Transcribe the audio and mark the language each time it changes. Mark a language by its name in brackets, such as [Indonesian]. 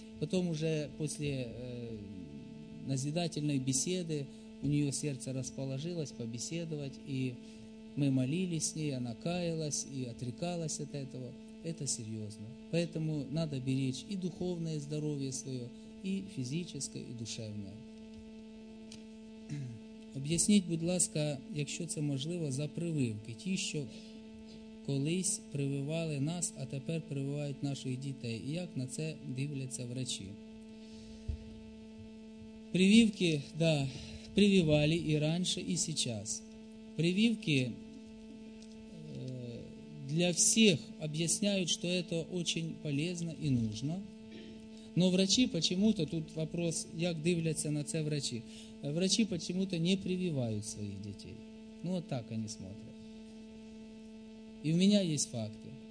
[Russian] Потом уже после назидательной беседы у нее сердце расположилось побеседовать, и мы молились с ней, она каялась и отрекалась от этого. Это серьезно. Поэтому надо беречь и духовное здоровье свое, и физическое, и душевное. [Ukrainian] Объясніть, будь ласка, якщо це можливо, за прививки. Ті, що колись прививали нас, а тепер прививають наших дітей. І як на це дивляться врачи? Прививки, да, прививали і раніше, і зараз. [Russian] Прививки для всех объясняют, что это очень полезно и нужно. Но врачи почему-то, тут вопрос, как [Ukrainian] дивляться на це [Russian] врачи, врачи почему-то не прививают своих детей. Ну вот так они смотрят. И у меня есть факты.